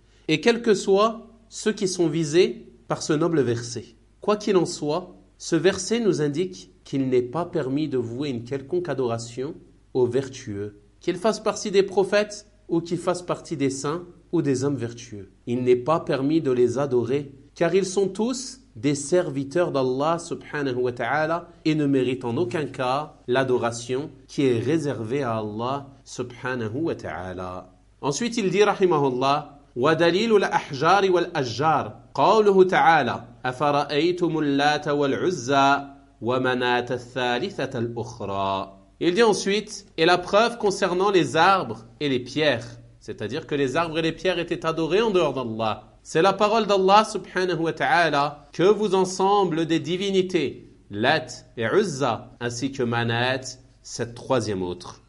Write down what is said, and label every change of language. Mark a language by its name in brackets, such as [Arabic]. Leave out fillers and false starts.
[French] Et quels que soient ceux qui sont visés par ce noble verset, quoi qu'il en soit, ce verset nous indique qu'il n'est pas permis de vouer une quelconque adoration aux vertueux, qu'ils fassent partie des prophètes ou qu'ils fassent partie des saints ou des hommes vertueux. Il n'est pas permis de les adorer, car ils sont tous des serviteurs d'Allah subhanahu wa ta'ala et ne méritent en aucun cas l'adoration qui est réservée à Allah subhanahu wa ta'ala. Ensuite, il dit, rahimahullah, [Arabic] وَدَلِيلُ الْأَحْجَارِ وَالْأَجْجَارِ قَوْلُهُ تَعَالَى أَفَرَأَيْتُمُ اللَّاتَ وَالْعُزَّى وَمَنَاتَ الثَّالِثَةَ الْأُخْرَى. [French] Il dit ensuite, et la preuve concernant les arbres et les pierres, c'est-à-dire que les arbres et les pierres étaient adorés en dehors d'Allah, C'est la parole d'Allah subhanahu wa ta'ala que vous ensemble des divinités, Lat et Uzza, ainsi que Manat, cette troisième autre.